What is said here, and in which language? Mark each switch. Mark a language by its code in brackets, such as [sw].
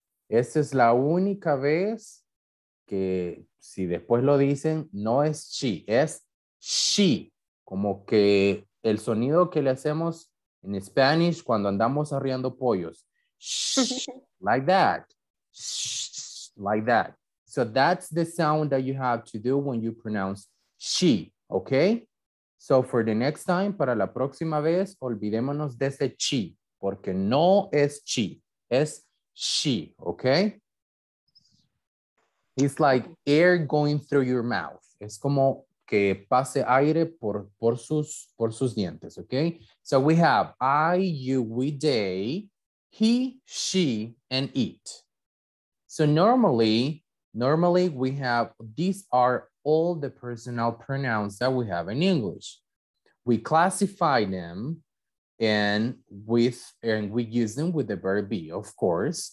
[es] Esa es la única vez que si después lo dicen, no es chi, es she. Como que el sonido que le hacemos en Spanish cuando andamos arriando pollos. [en] Shh, like that. Shh, like that. So that's the sound that you have to do when you pronounce she, okay? So for the next time, [es] para la próxima vez, olvidémonos de ese chi, porque no es chi, es she, okay? [en] It's like air going through your mouth. [es] Es como que pase aire por sus dientes, okay? [en] So we have I, you, we, they, he, she, and it. So normally, we have, these are all the personal pronouns that we have in English. We classify them and we use them with the verb be, of course.